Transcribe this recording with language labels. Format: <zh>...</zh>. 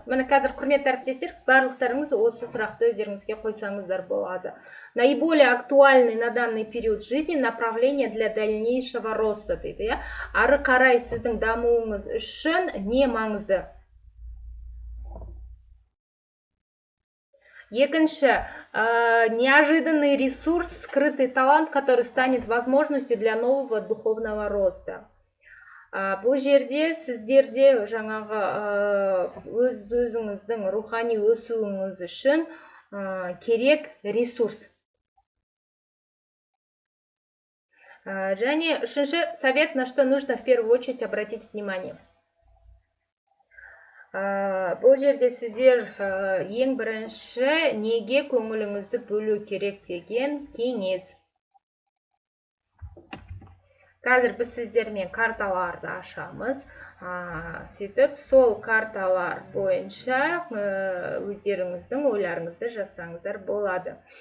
<kk>Мені қазір құрметті әріптестер, барлықтарыңыз осы сұрақты өздеріңізге қойсаңыздар болады.</kk> <ru>Наиболее актуальный на данный период жизни направление для дальнейшего роста,</ru> <kk>дейді. Ары қарай сіздің дамуыңыз үшін не маңызды? Екінші,</kk> <ru>неожиданный ресурс, скрытый талант, который станет возможностью для нового духовного роста.</ru> <kk>Бұл жерде сіздерде жаңағы өзіңіздің рухани өсуіңіз үшін керек ресурс. Және үшінші</kk> <ru>совет, на что нужно в первую очередь обратить внимание.</ru> <kk>Бұл жерде сіздер ең бірінші неге көңіліңізді бөлу керек деген кеңес. Қазір біз сіздермен карталарды ашамыз. Сөйтіп, сол карталар бойынша өздеріңіздің ойларыңызды жасаңыздар болады.</kk>